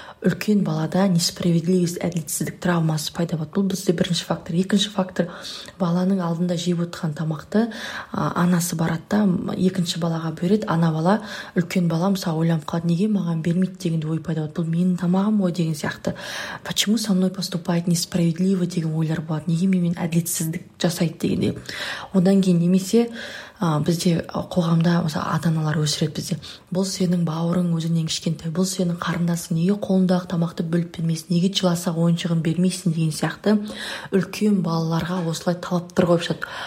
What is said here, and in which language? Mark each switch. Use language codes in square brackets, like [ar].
[kk] Үлкен балада несправедливость, әділетсіздік травмасы пайда болады. Бұл бізде бірінші фактор. Екінші фактор, баланың алдында жеп отырған тамақты анасы барады да, екінші балаға береді. Ана бала, үлкен бала мысалы ойланып қалады, неге маған бермейді деген ой пайда болады. Бұл менің тамағым ғой деген сияқты. [ru] Почему со мной поступает несправедливо [kk] деген ойлар болады. Неге мен әділетсіздік жасайды дегенде. Одан кейін немесе бізде қоғамда мысалы ата-аналар өсіреді бізде. Бұл сенің бауырың өзіңнен кішкентай, бұл сенің қарындасың, неге қолындағы тамақты бөліп бермейсің, неге жыласақ ойыншығын бермейсің деген сияқты үлкен балаларға осылай талаптар қойып жатады.